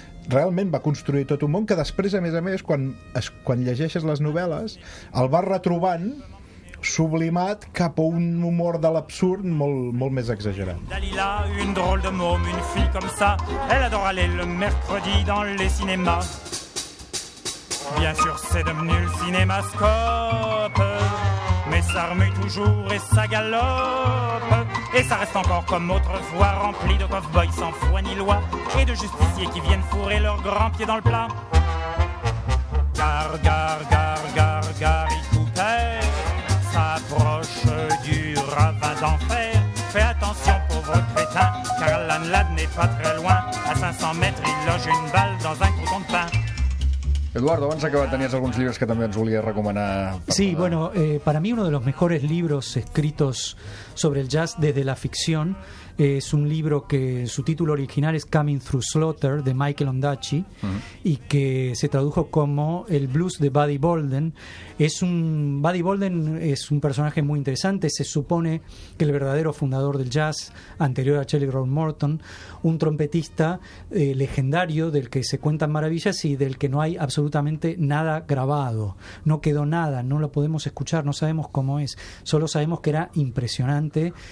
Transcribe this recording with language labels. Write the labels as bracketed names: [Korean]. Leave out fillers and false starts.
[Catalan] Realment va construir tot un món que després, a més, quan llegeixes les novel·les, el vas retrobant sublimat cap a un humor de l'absurd molt, molt més exagerat. [French] Dalila, une drôle de môme, une fille comme ça, elle adore aller le mercredi dans les cinémas. Bien sûr, c'est devenu le cinémascope, mais ça remue toujours et ça galope. Et ça reste encore comme autrefois, rempli de cowboys sans foi ni loi et de justiciers qui viennent fourrer leurs grands pieds dans le plat. Gar, gar, gar, gar, gar, Icouper s'approche du ravin d'enfer. Fais attention, pauvre crétin, car l'Anlad n'est pas très loin. À 500 mètres, il loge une balle dans un crouton de pain. [Catalan] Eduardo, abans d'acabar, tenies alguns llibres que també ens volies recomanar. Sí, poder... [Spanish] bueno, para mí uno de los mejores libros escritos sobre el jazz desde la ficción es un libro que su título original es Coming Through Slaughter, de Michael Ondaatje, y que se tradujo como El blues de Buddy Bolden. Buddy Bolden es un personaje muy interesante, se supone que el verdadero fundador del jazz, anterior a Charlie Roll Morton, un trompetista legendario del que se cuentan maravillas y del que no hay absolutamente nada grabado, no quedó nada, no lo podemos escuchar, no sabemos cómo es, solo sabemos que era impresionante